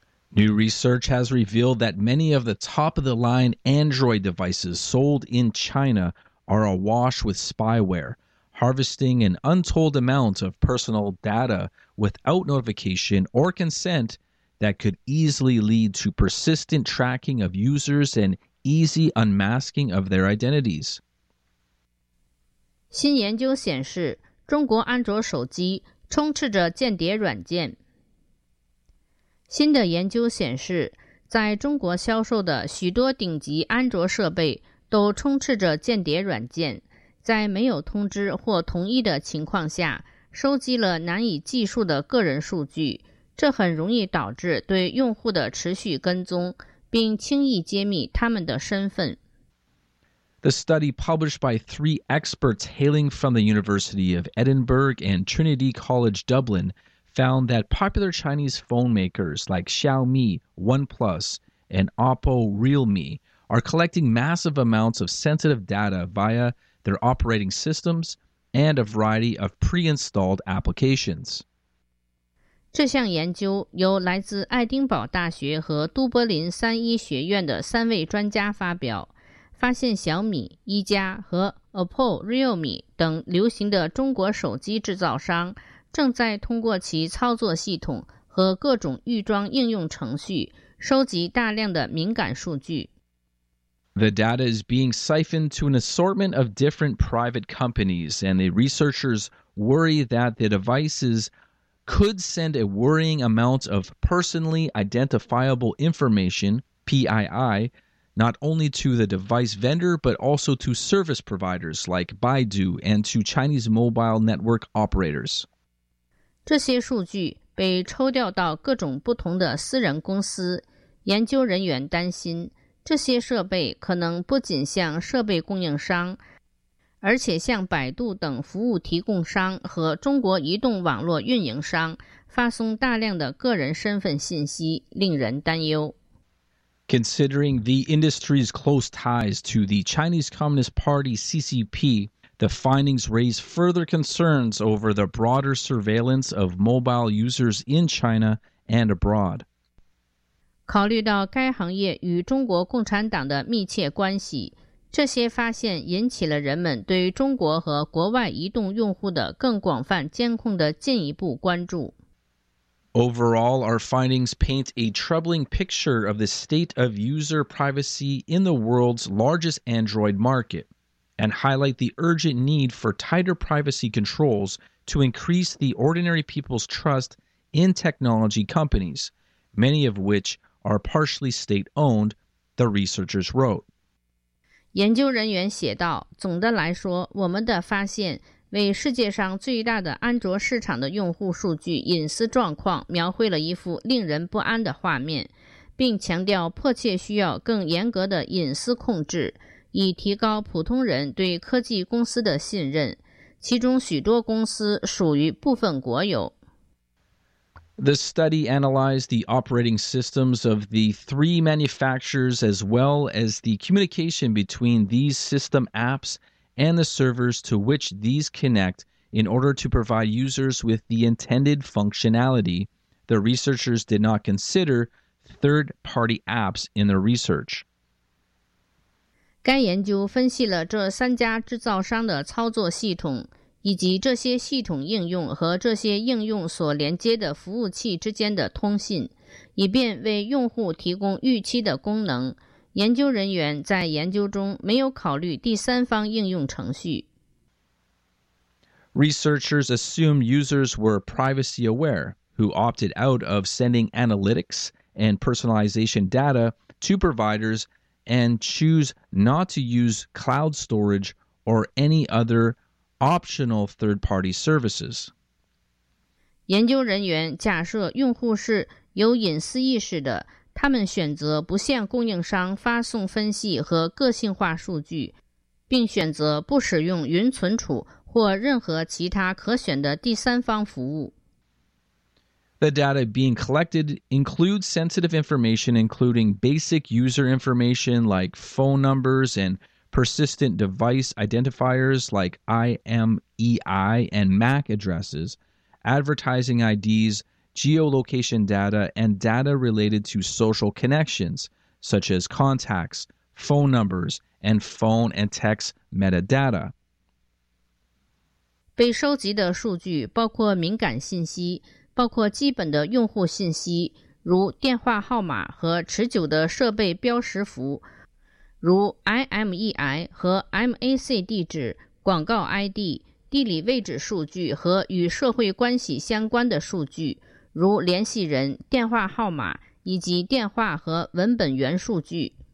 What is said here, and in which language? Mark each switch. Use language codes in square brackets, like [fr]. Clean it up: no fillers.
[en] New research has revealed that many of the top-of-the-line Android devices sold in China are awash with spyware, harvesting an untold amount of personal data without notification or consent that could easily lead to persistent tracking of users and easy unmasking of their identities. [zh] 新研究显示，中国安卓手机充斥着间谍软件。新的研究显示，在中国销售的许多顶级安卓设备都充斥着间谍软件，在没有通知或同意的情况下，收集了难以计数的个人数据，这很容易导致对用户的持续跟踪，并轻易揭秘他们的身份。 [en] The study published by three experts hailing from the University of Edinburgh and Trinity College Dublin found that popular Chinese phone makers like Xiaomi, OnePlus, and Oppo Realme are collecting massive amounts of sensitive data via their operating systems and a variety of pre-installed applications. [zh] 这项研究由来自爱丁堡大学和都柏林三一学院的三位专家发表，发现小米、一加和 Oppo Realme 等流行的中国手机制造商正在通过其操作系统和各种预装应用程序收集大量的敏感数据。 [en] The data is being siphoned to an assortment of different private companies, and the researchers worry that the devices could send a worrying amount of personally identifiable information, PII, not only to the device vendor, but also to service providers like Baidu and to Chinese mobile network operators. [zh] 这些数据被抽调到各种不同的私人公司，研究人员担心，这些设备可能不仅向设备供应商，而且向百度等服务提供商和中国移动网络运营商发送大量的个人身份信息，令人担忧。 [en] Considering the industry's close ties to the Chinese Communist Party CCP,The findings raise further concerns over the broader surveillance of mobile users in China and abroad. [zh] 考虑到该行业与中国共产党的密切关系，这些发现引起了人们对中国和国外移动用户的更广泛监控的进一步关注。 [en] Overall, our findings paint a troubling picture of the state of user privacy in the world's largest Android market. And highlight the urgent need for tighter privacy controls to increase the ordinary people's trust in technology companies, many of which are partially state-owned, the researchers wrote. [zh] 研究人员写道，总的来说，我们的发现为世界上最大的安卓市场的用户数据隐私状况描绘了一幅令人不安的画面，并强调迫切需要更严格的隐私控制。以提高普通人对科技公司的信任，其中许多公司属于部分国有。 [en] The study analyzed the operating systems of the three manufacturers as well as the communication between these system apps and the servers to which these connect in order to provide users with the intended functionality. The researchers did not consider third-party apps in their research. [zh] 该研究分析了这三家制造商的操作系统，以及这些系统应用和这些应用所连接的服务器之间的通信，以便为用户提供预期的功能。研究人员在研究中没有考虑第三方应用程序。 [en] Researchers assume users were privacy aware, who opted out of sending analytics and personalization data to providers and choose not to use cloud storage or any other optional third-party services. [zh] 研究人员假设用户是有隐私意识的，他们选择不向供应商发送分析和个性化数据，并选择不使用云存储或任何其他可选的第三方服务。 [en] The data being collected includes sensitive information, including basic user information like phone numbers and persistent device identifiers like IMEI and MAC addresses, advertising IDs, geolocation data, and data related to social connections, such as contacts, phone numbers, and phone and text metadata. [zh] 被收集的数据包括敏感信息，包括基本的用户信息，如电话号码和持久的设备标识符，如 IMEI 和 MAC 地址、广告 ID、地理位置数据和与社会关系相关的数据，如联系人、电话号码以及电话和文本源数据。